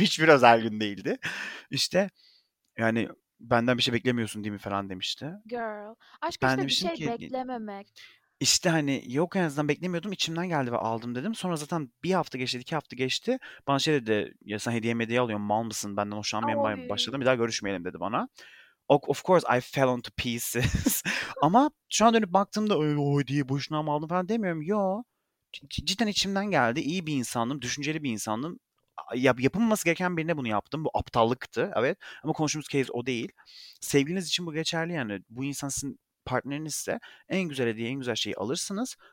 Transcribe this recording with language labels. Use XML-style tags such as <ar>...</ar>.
<tr>Hiçbir özel gün değildi. İşte yani benden bir şey beklemiyorsun değil mi falan demişti.</tr> <en>Girl.</en> <tr>Aşk işte bir şey beklememek. İşte hani yok, en azından beklemiyordum. İçimden geldi ve aldım dedim. Sonra zaten bir hafta geçti, iki hafta geçti. Bana şey dedi. Ya sen hediye medya alıyorsun, mal mısın? Benden hoşlanmayan başladım. Bir daha görüşmeyelim dedi bana.</tr> <en>Of course I fell into pieces.</en> <tr>Ama şu an dönüp baktığımda hediye boşuna mı aldım falan demiyorum. Yo. Cidden içimden geldi. İyi bir insandım. Düşünceli bir insandım. Yapılmaması gereken birine bunu yaptım. Bu aptallıktı. Evet. Ama konuştuğumuz case o değil. Sevgiliniz için bu geçerli yani. Bu insan sizin partneriniz ise en güzel hediye, en güzel şeyi alırsınız.</tr>